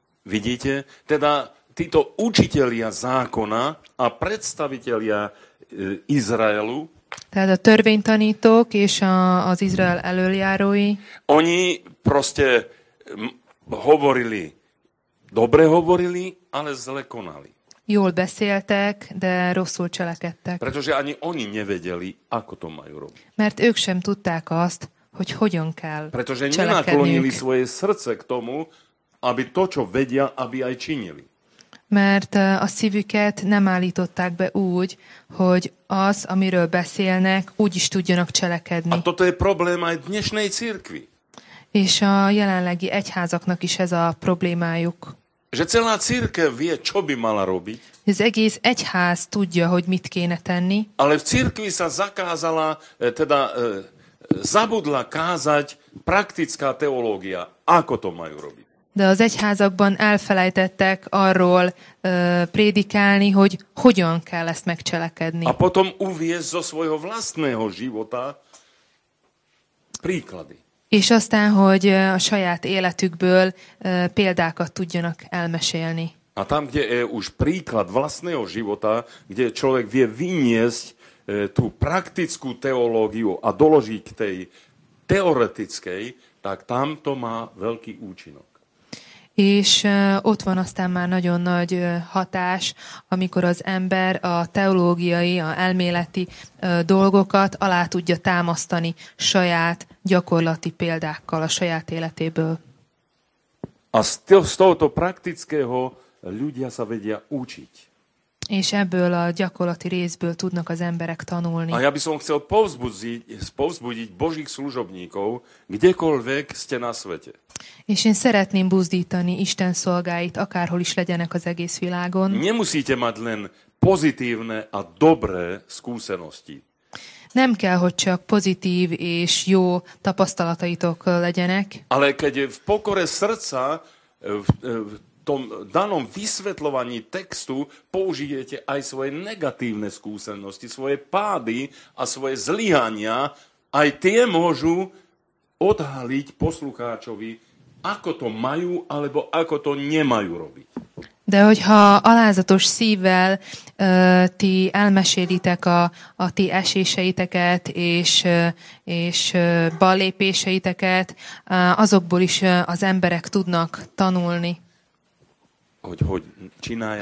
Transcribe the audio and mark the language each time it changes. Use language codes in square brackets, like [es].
[sk] Vidíte? Teda títo učitelia zákona a predstavitelia Izraelu. [hu] Teda törvénytanítók és az Izrael elöljárói. [sk] Oni proste hovorili, dobre hovorili, ale zle konali. [hu] Jól beszéltek, de rosszul cselekedtek. [sk] Pretože ani oni nevedeli, ako to majú robiť. [hu] Mert ők sem tudták azt, hogy hogyan kell [sk] Pretože [hu] cselekedniük. [sk] Pretože nenaklonili svoje srdce k tomu, aby to, čo vedia, aby aj činili. [hu] Mert a szívüket nem állították be úgy, hogy az, amiről beszélnek, úgy is tudjanak cselekedni. [sk] A toto je probléma aj dnešnej cirkvi. [hu] És a jelenlegi egyházaknak is ez a problémájuk. [sk] Že celá cirkev vie, čo by mala robiť. [hu] Az egész egyház tudja, hogy mit kéne tenni. [sk] Ale v cirkvi sa zakázala, teda zabudla kázať praktická teológia, ako to majú robiť. [hu] De az egyházakban elfelejtettek arról prédikálni, hogy hogyan kell ezt megcselekedni. [sk] A potom uviesť zo svojho vlastného života príklady. [hu] És aztán, hogy a saját életükből példákat tudjanak elmesélni. [sk] A tam, kde je už príklad vlastného života, kde človek vie vyniesť tú praktickú teológiu a doloží k tej teoretickej, tak tam to má veľký účinok. [hu] És ott van aztán már nagyon nagy hatás, amikor az ember a teológiai, a elméleti dolgokat alá tudja támasztani saját gyakorlati példákkal a saját életéből. [sk] A z tohoto praktického ľudia sa vedia učiť. [hu] És ebből a gyakorlati részből tudnak az emberek tanulni. [sk] A ja by som chcel povzbudiť Božích služobníkov, kdekoľvek ste na svete. [hu] És én szeretném buzdítani Isten szolgáit, akárhol is legyenek az egész világon. [sk] Nemusíte mať len pozitívne a dobré skúsenosti. [hu] Nem kell, hogy csak pozitív és jó tapasztalataitok legyenek. [sk] Ale keď v pokore srdca v tom danom vysvetľovaní textu použijete aj svoje negatívne skúsenosti, svoje pády a svoje zlyhania, aj tie môžu odhaliť poslucháčovi, ako to majú alebo ako to nemajú robiť. [hu] De hogyha alázatos szívvel ti elmesélitek a ti eséseiteket és bal lépéseiteket, azokból is az emberek tudnak tanulni. Hogy csinálják.